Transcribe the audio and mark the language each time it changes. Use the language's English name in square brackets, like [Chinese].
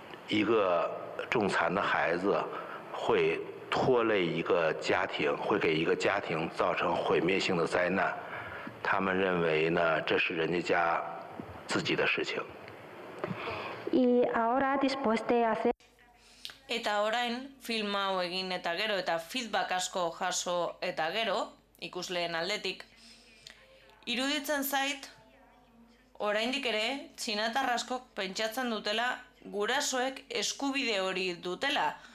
[Chinese] 拍了这个电影，到现在为止，我得到的反馈来说，我认为，中国现在仍然有大部分的人认为呢，父母是有权利决定一个重残的孩子的死活的，因为呢，他们认为呢，这是人家自己的事情，因为他们认为一个重残的孩子会 拖累一个家庭，会给一个家庭造成毁灭性的灾难。他们认为呢，这是人家自己的事情。 [Spanish] Y ahora después de hacer. [Basque] Eta orain film hau egin eta gero eta feedback asko jaso eta gero ikusleen aldetik iruditzen zait oraindik ere txinatar askok pentsatzen dutela gurasoek eskubide hori dutela.